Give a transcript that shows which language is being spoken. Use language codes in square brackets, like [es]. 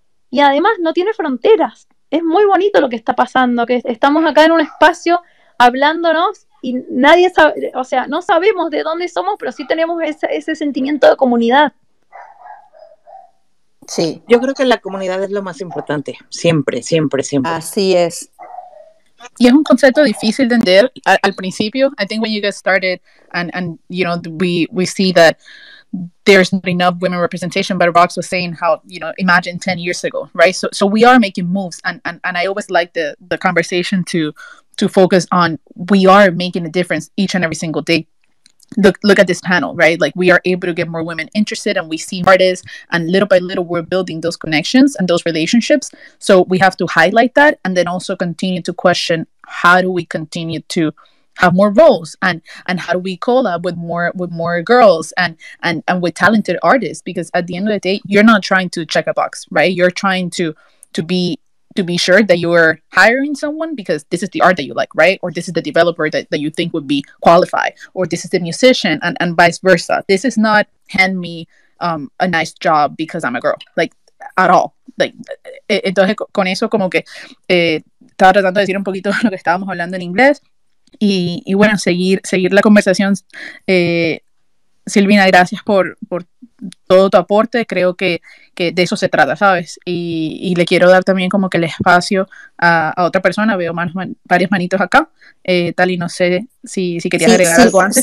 [es] Y además no tiene fronteras. Es muy bonito lo que está pasando, que estamos acá en un espacio hablándonos y nadie sabe, o sea, no sabemos de dónde somos, pero sí tenemos ese sentimiento de comunidad. Sí. Yo creo que la comunidad es lo más importante, siempre, siempre, siempre. Así es. Y es un concepto difícil de entender al principio. [en] I think when you get started and you know, we see that there's not enough women representation, but Rox was saying how, you know, imagine 10 years ago, right? So we are making moves, and I always like the conversation to focus on we are making a difference each and every single day. Look at this panel, right? Like, we are able to get more women interested, and we see artists, and little by little we're building those connections and those relationships. So we have to highlight that, and then also continue to question how do we continue to have more roles, and how do we collab with more girls and with talented artists, because at the end of the day you're not trying to check a box, right? You're trying to be sure that you're hiring someone because this is the art that you like, right? Or this is the developer that you think would be qualified, or this is the musician, and vice versa. This is not hand me a nice job because I'm a girl, like, at all. Like, [es] entonces con eso como que estaba tratando de decir un poquito lo que estábamos hablando en inglés, y bueno, seguir la conversación. Silvina, gracias por todo tu aporte, creo que de eso se trata, ¿sabes? Y le quiero dar también como que el espacio a otra persona, veo varias manitos acá, Tali, no sé si querías agregar algo antes.